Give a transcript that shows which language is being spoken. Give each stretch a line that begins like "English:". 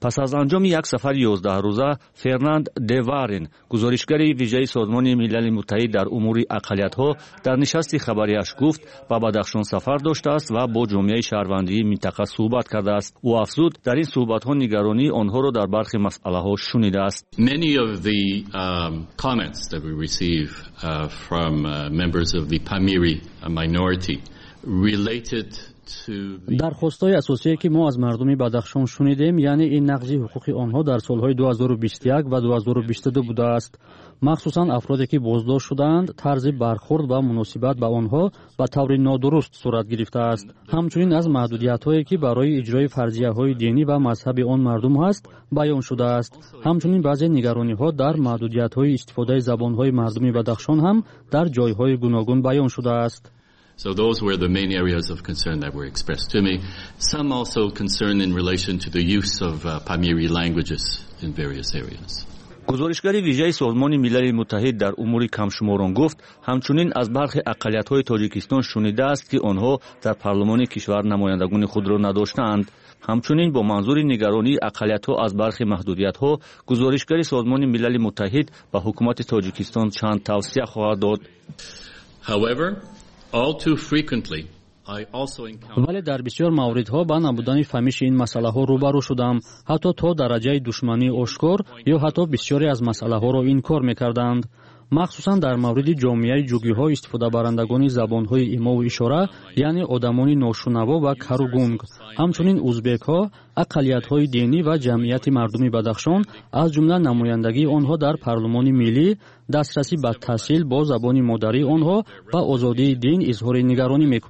Persian: پس از انجام یک سفر 11 روزه، فرناند دوارین، گزارشگری ویژه سازمان ملل متحد در امور اقلیت‌ها، در نشست خبریش گفت با بدخشان سفر داشته است و با جمعیت شهروندی منطقه صحبت کرده است. او افزود در این صحبت‌ها نگرانی آنها را در برخی مسائل‌ها شنیده است.
English: Many of the comments that we receive from members of the Pamiri minority related
Persian: درخواستای اساسی که ما از مردم بدخشان شنیدیم، یعنی این نقض حقوق آنها در سالهای 2021 و 2022 بوده است. مخصوصا افرادی که بازداشت شدند، طرز برخورد و مناسبت با آنها به طور نادرست صورت گرفته است. همچنین از محدودیت هایی که برای اجرای فرضیه های دینی و مذهبی آن مردم هست بیان شده است. همچنین بعضی نگرانی ها در محدودیت های استفاده زبان های مردم بدخشان هم در جای های گوناگون بیان شده است.
English: So those were the main areas of concern that were expressed to me. Some also concern in relation to the use of Pamiri languages in various areas.
Persian: گزارشگری ویژه سازمان ملل متحد در امور کمشماران گفت همچنین از برخی اقلیت‌های تاجیکستان شنیده است که آنها در پارلمان کشور نمایندگان خود را نداشتند. همچنین با منظور نگرانی اقلیت‌ها از برخی محدودیت‌ها، گزارشگری سازمان ملل متحد به حکومت تاجیکستان چند توصیه خواهد داد.
English: However, all too frequently I also encountered
Persian: ولی در بسیار مواردها با نبودن فهمیش این مسئله ها روبرو شدم، حتی تا درجه دشمنی آشکار یا حتی بسیاری از مسئله ها را انکار میکردند. مخصوصا در مورد جامعه جوگی ها استفاده برندگان زبان های ایما و اشاره، یعنی آدمان ناشنوا و کروگونگ، همچنین اوزبک ها، اقلیت های دینی و جمعیت مردم بدخشان، از جمله نمایندگی آنها در پارلمان ملی، دسترسی به تحصیل با زبان مادری آنها و آزادی دین اظهار نگرانی